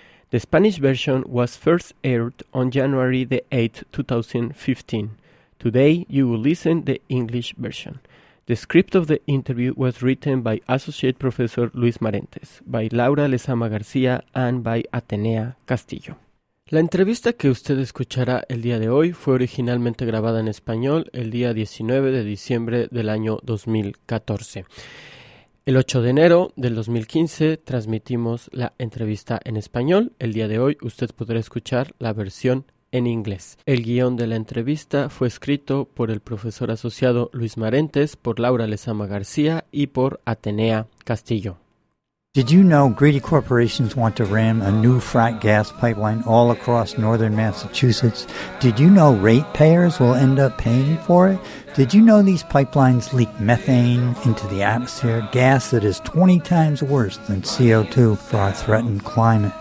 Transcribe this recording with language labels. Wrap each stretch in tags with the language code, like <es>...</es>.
<en>The Spanish version was first aired on January 8, 2015. Today you will listen to the English version. The script of the interview was written by Associate Professor Luis Marentes, by Laura Lezama García, and by Atenea Castillo.</en> <es>La entrevista que usted escuchará el día de hoy fue originalmente grabada en español el día 19 de diciembre del año 2014. El 8 de enero del 2015 transmitimos la entrevista en español. El día de hoy usted podrá escuchar la versión en inglés. El guión de la entrevista fue escrito por el profesor asociado Luis Marentes, por Laura Lezama García y por Atenea Castillo.</es> <en>Did you know greedy corporations want to ram a new frack gas pipeline all across northern Massachusetts? Did you know ratepayers will end up paying for it? Did you know these pipelines leak methane into the atmosphere, gas that is 20 times worse than CO2 for our threatened climate?</en>